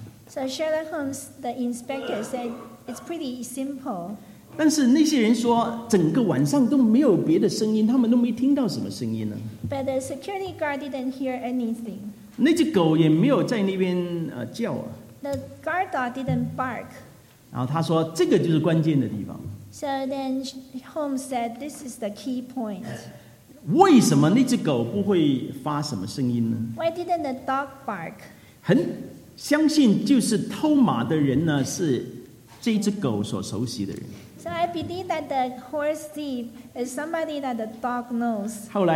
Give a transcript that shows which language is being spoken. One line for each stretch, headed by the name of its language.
English: So Sherlock Holmes, the inspector, said it's pretty simple.
Chinese: 但是那些人说，整个晚上都没有别的声音，他们都没听到什么声音呢。
English: But the security guard didn't hear anything.
Chinese: 那只狗也没有在那边叫啊。
English: The guard dog didn't bark.
Chinese: 然后他说, 这个就是关键的地方。
English: So then Holmes said, this is the key point.
Chinese: 为什么那只狗不会发什么声音呢?
English: Why didn't the dog bark?
Chinese: 很相信就是偷马的人呢, 是这只狗所熟悉的人。
English: So I believe that the horse thief is somebody that the dog knows.